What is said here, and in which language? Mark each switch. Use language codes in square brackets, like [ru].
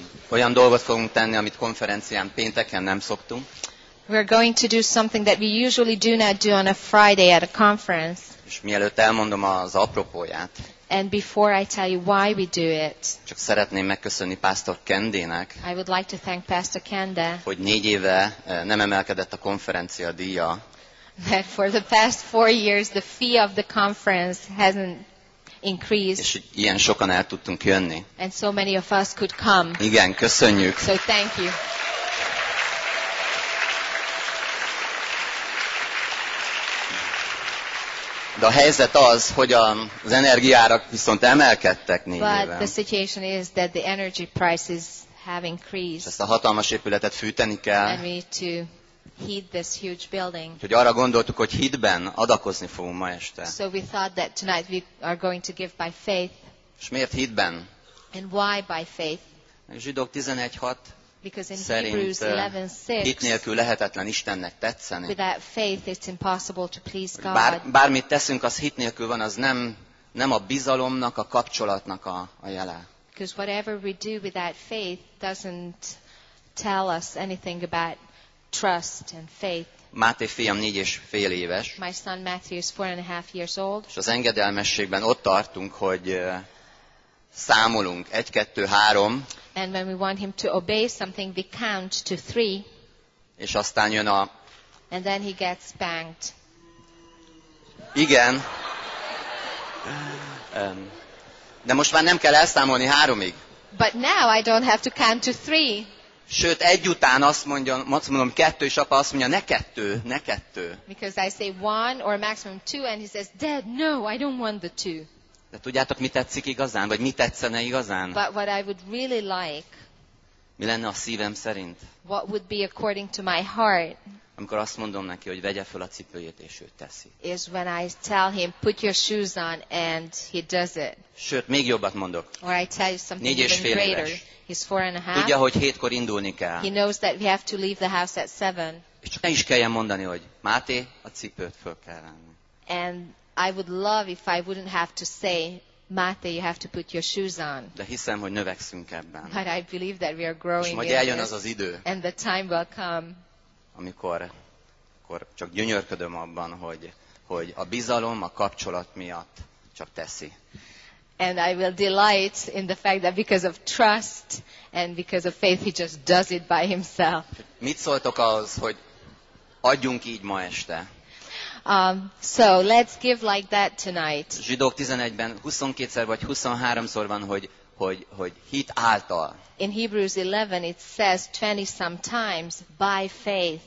[hu] Olyan dolgot fogunk tenni, amit konferencián pénteken nem szoktunk. [en] We are going to do something that we usually do not do on a Friday at a conference. [hu] És mielőtt elmondom az apropóját. [en] And before I tell you why we do it. [hu] Csak szeretném megköszönni Pastor Kendének. [en] I would like to thank Pastor Kende. [hu] Hogy 4 éve nem emelkedett a konferencia díja. [en] That for the past 4 years the fee of the conference hasn't increased. [hu] És ilyen sokan el tudtunk jönni. [en] And so many of us could come. [hu] Igen, köszönjük. [en] So thank you. [hu] De a helyzet az, hogy az energiárak viszont emelkedtek 4 éven. [en] But the situation is that the energy prices have increased. [hu] Ezt a hatalmas épületet fűteni kell. [en] And we need to heat this huge building. [hu] Úgyhogy arra gondoltuk, hogy hitben adakozni fogunk ma este. [en] So we thought that tonight we are going to give by faith. [hu] És miért hitben? [en] And why by faith? [hu] A zsidók 11:6. [en] Because in [hu] szerint, [en] Hebrews 11:6, [hu] hit nélkül lehetetlen Istennek tetszeni. [en] Without faith, it's impossible to please God. [hu] Bármit teszünk, az hit nélkül van, az nem a bizalomnak, a kapcsolatnak a jele. [en] Because whatever we do without faith doesn't tell us anything about trust and faith. [hu] Máté fiam 4,5 éves. [en] My son Matthew is 4.5 years old. [hu] És az engedelmességben ott tartunk, hogy számolunk 1, 2, 3. [en] And when we want him to obey something, we count to 3. [hu] És aztán jön a... [en] And then he gets spanked. [hu] Igen. De most már nem kell elszámolni 3-ig. [en] But now I don't have to count to 3. [hu] Sőt, egy után azt mondja, azt mondom 2, és apa azt mondja, ne 2. [en] Because I say 1 or maximum 2, and he says, Dad, no, I don't want the 2. [hu] De tudjátok, mi tetszik igazán? Vagy mi tetszene igazán? [en] But what I would really like, [hu] mi lenne a szívem szerint? [en] What would be according to my heart, [hu] amikor azt mondom neki, hogy vegye fel a cipőjét, és ő teszi. [en] Is when I tell him, put your shoes on, and he does it. [hu] Sőt, még jobbat mondok. [en] Or I tell you something [hu] 4,5 éves. [en] He's 4.5. [hu] Tudja, hogy 7-kor indulni kell. [en] He knows that we have to leave the house at 7. [hu] És csak ne is kelljen mondani, hogy Máté, a cipőt föl kell venni. [en] And I would love if I wouldn't have to say, Máté, you have to put your shoes on. [hu] De hiszem, hogy növekszünk ebben. [en] But I believe that we are growing. [hu] És majd eljön az idő. [en] And the time will come. [hu] Amikor csak gyönyörködöm abban, hogy a bizalom a kapcsolat miatt csak teszi. [en] And I will delight in the fact that because of trust and because of faith he just does it by himself. [hu] Mit szóltok ahhoz, hogy adjunk így ma este? [en] So let's give like that tonight. [hu] Zsidók 11-ben 22-szer vagy 23-szor van, hogy hit által. [en] In Hebrews 11 it says 20 sometimes by faith.